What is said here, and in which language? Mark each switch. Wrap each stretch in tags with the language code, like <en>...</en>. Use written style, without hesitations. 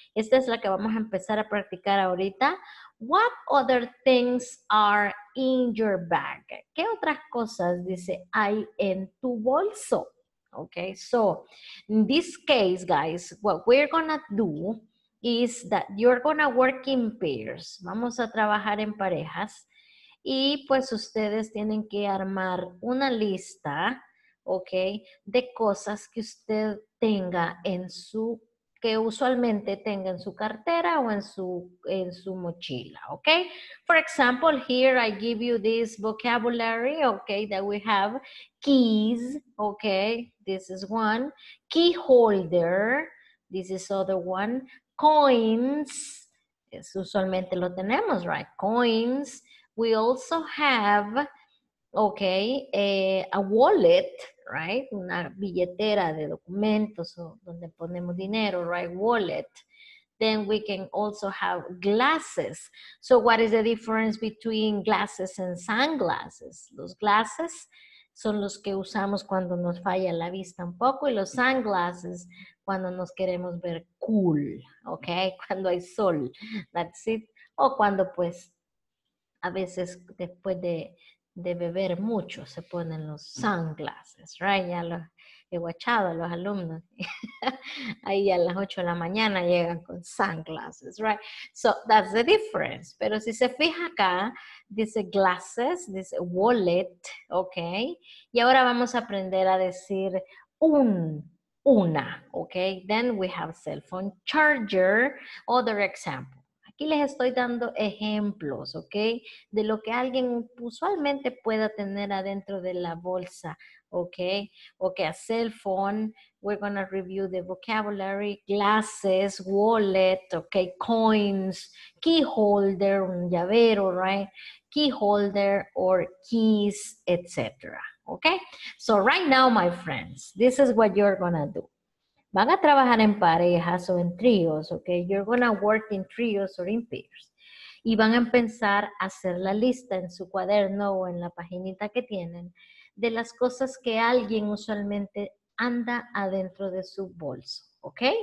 <es>Esta es la que vamos a empezar a practicar ahorita.</es> <en>What other things are in your bag?</en> <es>¿Qué otras cosas dice hay en tu bolso?</es> <en>Okay, so in this case, guys, what we're gonna do is that you're gonna work in pairs.</en> <es>Vamos a trabajar en parejas. Y pues ustedes tienen que armar una lista, okay, de cosas que usted tenga en su, que usualmente tenga en su cartera o en su mochila, okay?</es> <en>For example, here I give you this vocabulary, okay, that we have keys, okay? This is one. Key holder, this is other one.</en> <es>Coins, es usualmente lo tenemos, right? Coins.</es> <en>We also have, okay, a wallet, right?</en> <es>Una billetera de documentos o donde ponemos dinero, right? Wallet.</es> <en>Then we can also have glasses. So what is the difference between glasses and sunglasses?</en> <es>Los glasses son los que usamos cuando nos falla la vista un poco y los sunglasses cuando nos queremos ver cool, okay? Cuando hay sol,</es> <en>that's it.</en> <es>O cuando pues a veces después de beber mucho se ponen los sunglasses, right? Ya lo, he guachado a los alumnos. Ahí a las 8 de la mañana llegan con sunglasses, right?</es> <en>So that's the difference.</en> <es>Pero si se fija acá, dice glasses, dice wallet, okay? Y ahora vamos a aprender a decir una, okay?</es> <en>Then we have cell phone charger, other example.</en> <es>Aquí les estoy dando ejemplos, ¿ok? De lo que alguien usualmente pueda tener adentro de la bolsa, ¿ok?</es> <en>Ok, a cell phone, we're gonna review the vocabulary, glasses, wallet, ¿ok? Coins, key holder,</en> <es>un llavero,</es> <en>right? Key holder or keys, etc. ¿Ok? So right now, my friends, this is what you're gonna do.</en> <es>Van a trabajar en parejas o en tríos, ¿ok?</es> <en>You're gonna work in trios or in pairs.</en> <es>Y van a empezar a hacer la lista en su cuaderno o en la paginita que tienen de las cosas que alguien usualmente anda adentro de su bolso, ¿ok?</es>